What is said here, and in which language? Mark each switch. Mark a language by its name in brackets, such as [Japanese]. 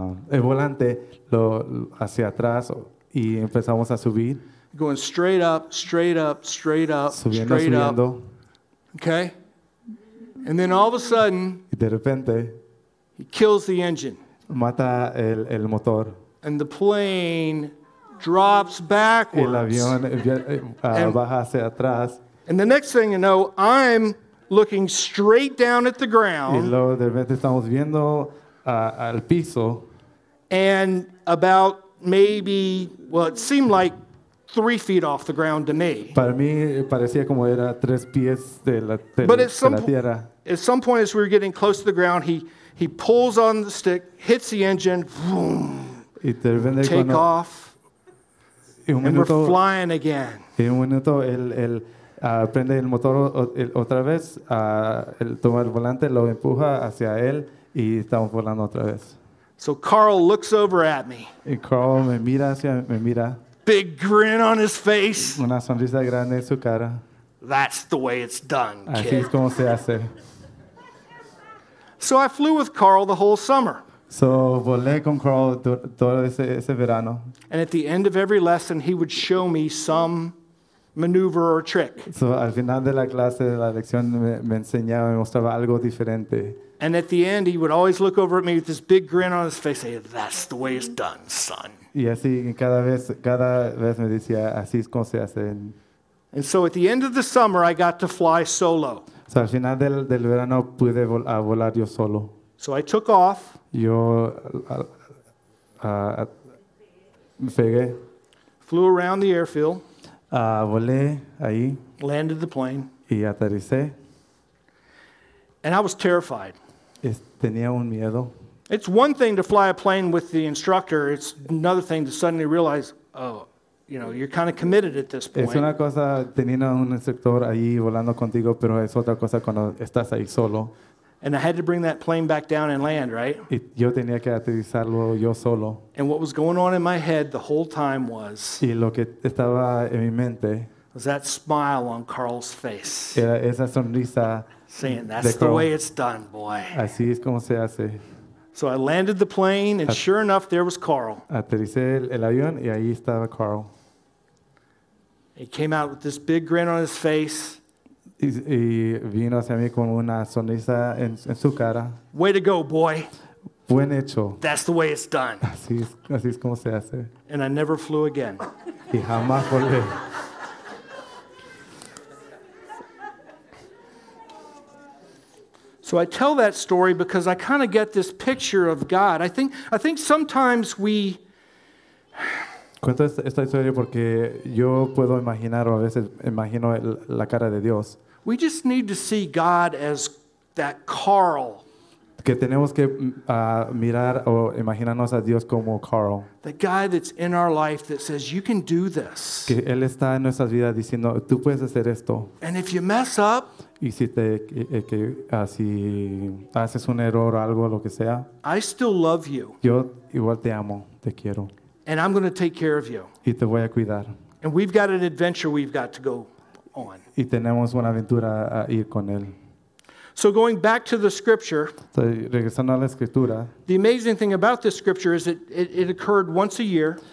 [Spanish] El volante lo hacia atrás, y empezamos a subir. [English] Going straight up, straight up, straight up, [Spanish] subiendo, [English] straight [Spanish] subiendo. [English] Up. Okay. And then all of a sudden, [Spanish] y de repente, [English] he kills the engine. [Spanish] Mata el motor. [English] And the plane drops backwards. [Spanish] El avión baja hacia atrás. [English] And the next thing you know, I'm looking straight down at the ground. [Spanish] Y luego de repente estamos viendo al piso. [English] And about maybe, well, it seemed like 3 feet off the ground to me. [Spanish] Para mí parecía como era 3 pies de la tierra. [English] But at some point, as we were getting close to the ground, he pulls on the stick, hits the engine, boom, [Spanish] y de repente [English] take [Spanish] cuando, [English] off. [Spanish] Un minuto, [English] and we're flying again. [Spanish] En un minuto él prende el motor otra vez, él toma el volante, lo empuja hacia él y estamos volando otra vez. [English] So Carl looks over at me. [Spanish] Y Carl me mira. [English] Big grin on his face. [Spanish] Una sonrisa grande en su cara. [English] That's the way it's done, kid. [Spanish] Así es como se hace. [English] So I flew with Carl the whole summer. [Spanish] So volé con Carl todo ese verano. [English] And at the end of every lesson, he would show me some maneuver or trick. [Spanish] So al final de la clase, de la lección, me enseñaba, me mostraba algo diferente. [English] And at the end, he would always look over at me with this big grin on his face, say, "That's the way it's done, son." [Spanish] Y así cada vez me decía, así es como se hace. [English] And so at the end of the summer, I got to fly solo. [Spanish] So al final del verano pude volar yo solo. [English] So I took off. [Spanish] Yo pegué. [English] Flew around the airfield. [Spanish] Volé ahí. [English] Landed the plane. [Spanish] Y aterricé. [English] And I was terrified. [Spanish] Tenía un miedo. [English] It's one thing to fly a plane with the instructor. It's another thing to suddenly realize, oh, you know, you're kind of committed at this point. [Spanish] Es una cosa teniendo un instructor ahí volando contigo, pero es otra cosa cuando estás ahí solo. [English] And I had to bring that plane back down and land, right? [Spanish] Yo tenía que aterrizarlo yo solo. [English] And what was going on in my head the whole time was, [Spanish] y lo que estaba en mi mente, [English] was that smile on Carl's face. [Spanish] Era esa sonrisa, [English] saying, that's the way it's done, boy. [Spanish] Así es como se hace. [English] So I landed the plane, and sure enough, there was Carl. [Spanish] Aterricé el avión, y ahí estaba Carl. [English] He came out with this big grin on his face. [Spanish] Y vino hacia mí con una sonrisa en su cara. [English] Way to go, boy. [Spanish] Buen hecho. [English] That's the way it's done. [Spanish] Así es como se hace. [English] And I never flew again. [Spanish] Y jamás volví. [English] So I tell that story because I kind of get this picture of God. I think sometimes we. [Spanish] Cuento esta historia porque yo puedo imaginar o a veces imagino la cara de Dios. [English] We just need to see God as that Carl. [Spanish] Que tenemos que mirar o imaginarnos a Dios como Carl. [English] The guy that's in our life that says you can do this. [Spanish] Que él está en nuestras vidas diciendo tú puedes hacer esto. [English] And if you mess up. [Spanish] Y si te si haces un error o algo lo que sea. [English] I still love you. [Spanish] Yo igual te amo, te quiero. [English] And I'm going to take care of you. [Spanish] Y te voy a cuidar. [English] And we've got an adventure we've got to go on. [Spanish] Y tenemos una aventura a ir con él. [English] So going back to the scripture, [Spanish] regresando a la escritura, [English] the amazing thing about this scripture is it occurred once a year.